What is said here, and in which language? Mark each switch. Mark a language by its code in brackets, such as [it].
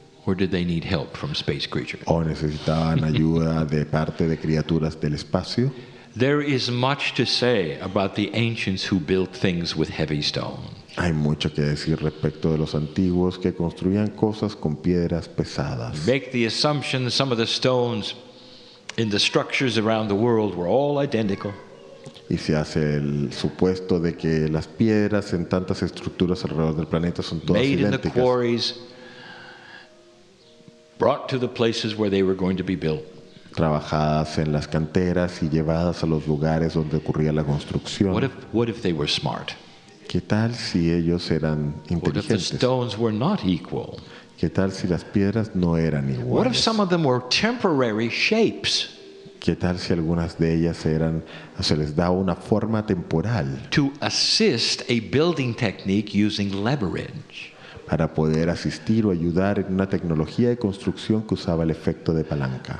[en] Or did they need help from space creatures? [es] ¿O necesitaban ayuda de parte de criaturas del espacio? [en] There is much to say about the ancients who built things with heavy stone. [es] Hay mucho que decir respecto de los antiguos que construían cosas con piedras pesadas. [en] Make the assumption that some of the stones in the structures around the world were all identical. [es] Y se hace el supuesto de que las piedras en tantas estructuras alrededor del planeta son todas [en] made [es] idénticas. [en] In the quarries, brought to the places where they were going to be built. [es] Trabajadas en las canteras y llevadas a los lugares donde ocurría la construcción. [en] What if they were smart? [es] ¿Qué tal si ellos eran inteligentes? [en] What if the stones were not equal? [es] ¿Qué tal si las piedras no eran iguales? [en] What if some of them were temporary shapes? [es] ¿Qué tal si algunas de ellas eran, o se les daba una forma temporal? [en] To assist a building technique using leverage. [es] Para poder asistir o ayudar en una tecnología de construcción que usaba el efecto de palanca.